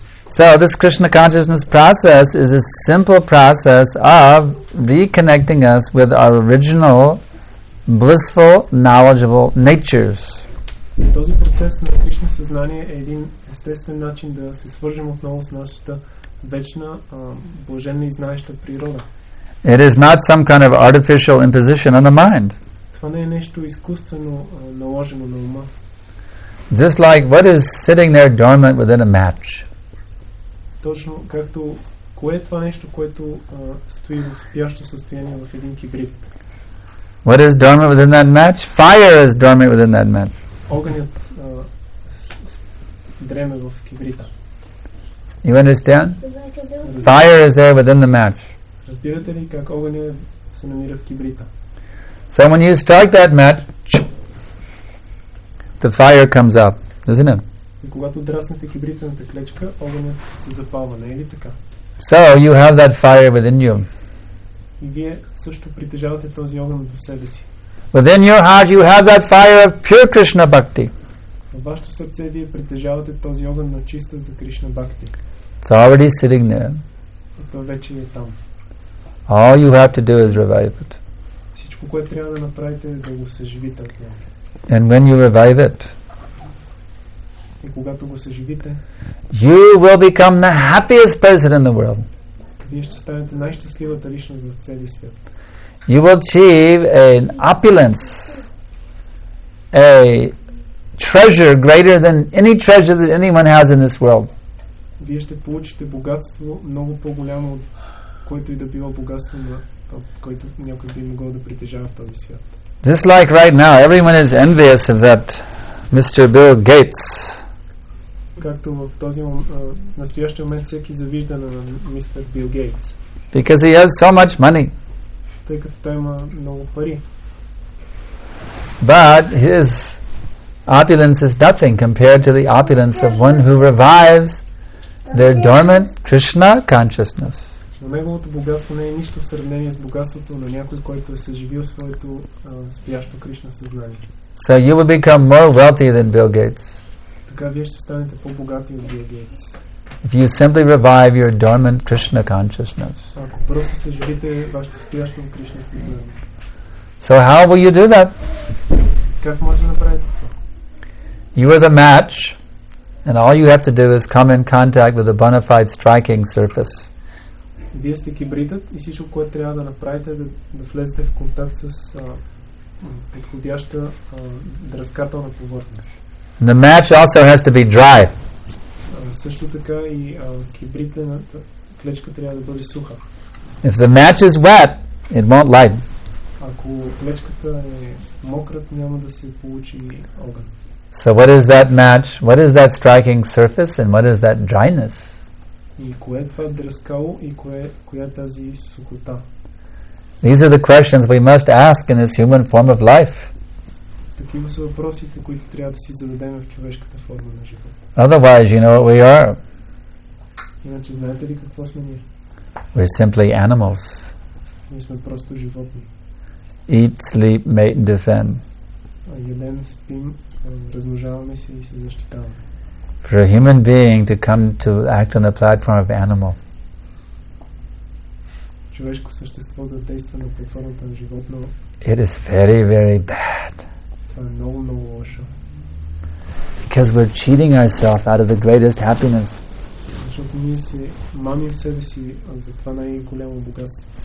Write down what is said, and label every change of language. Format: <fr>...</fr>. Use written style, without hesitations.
<en>So this Krishna consciousness process is a simple process of reconnecting us with our original blissful, knowledgeable natures.</en> <bg>Този процес на Кришна съзнание е един естествен начин да се свържем отново с нашата вечна, блаженна и знаеща природа.</bg> <en>It is not some kind of artificial imposition on the mind.</en> <bg>Това не е нещо изкуствено наложено на ума.</bg> <en>Just like what is sitting there dormant within a match.</en> <bg>Точно както кое е това нещо, което стои в спящо състояние в един кибрит.</bg> <en>What is dormant within that match? Fire is dormant within that match.</en> <bg>Огънят дреме в кибрита.</bg> <en>You understand? Fire is there within the match.</en> <bg>Разбирате ли как огънят се намира в кибрита?</bg> <en>So when you strike that match, the fire comes up, isn't it?</en> <bg>И когато драснете кибритената клечка, огънят се запалва, не е ли така?</bg> <en>So you have that fire within you.</en> <bg>И вие също притежавате този огън в себе си.</bg> <en>Within your heart you have that fire of pure Krishna bhakti.</en> <bg>Във вашето сърце вие притежавате този огън на чистата Кришна бхакти.</bg> <en>It's already sitting there.</en> <bg>И то вече е там.</bg> <en>All you have to do is revive it.</en> <bg>Всичко, което трябва да направите, е да го съживите.</bg> <en>And when you revive it,</en> <bg>и когато го съживите,</bg> <en>you will become the happiest person in the world.</en> <bg>Вие ще станете най-щастливата личност в целия свят.</bg> <en>You will achieve an opulence, a treasure greater than any treasure that anyone has in this world.</en> <bg>Вие ще получите богатство много по-голямо от което и да било богатство, което някой би могъл да притежава в този свят.</bg> <en>Just like right now, everyone is envious of that Mr. Bill Gates.</en> <bg>Както в този настоящия момент всеки завижда на Mr. Bill Gates.</bg> <en>Because he has so much money.</en> <bg>Тъй като той има много пари.</bg> <en>But his opulence is nothing compared to the opulence of one who revives their dormant Krishna consciousness.</en> <bg>Но неговото богатство не е нищо в сравнение с богатството на някой, който е съживил своето спящо Кришна съзнание.</bg> <en>So you will become more wealthy than Bill Gates.</en> <bg>Така вие ще станете по-богати от Bill Gates.</bg> <en>If you simply revive your dormant Krishna consciousness.</en> <bg>Ако просто съживите вашето спящо Кришна съзнание.</bg> <en>So how will you do that?</en> <bg>Как може да направите това?</bg> <en>You are the match, and all you have to do is come in contact with the bona fide striking surface.</en> <bg>Вие сте кибритът и всичко, което трябва да направите, е да влезете в контакт с подходяща дръскателна повърхност.</bg> <en>And the match also has to be dry.</en> <bg>Също така и кибрите на клечка трябва да бъде суха.</bg> <en>If the match is wet, it won't light.</en> <bg>Ако клечката е мократ, няма да се получи огън.</bg> <en>So what is that match? What is that striking surface and what is that dryness?</en> <bg>И кое е това дръскало и коя е тази сухота?</bg> <en>These are the questions we must ask in this human form of life.</en> <bg>Такива са въпросите, които трябва да си зададем в човешката форма на живота.</bg> <en>Otherwise, you know what we are.</en> <bg>Иначе знаете ли какво сме ние?</bg> <en>We're simply animals.</en> <bg>Ние сме просто животни.</bg> <en>Eat, sleep, mate and defend.</en> <bg>Ядем, спим, размножаваме се и се защитаваме.</bg> <en>For a human being to come to act on the platform of animal.</en> <bg>Човешко същество да действа на платформата на животно.</bg> <en>It is very, very bad.</en> <bg>Това е много, много лошо.</bg> <en>Because we're cheating ourselves out of the greatest happiness.</en> <bg>Защото ние се мамим себе си за това най-голямо богатство.</bg>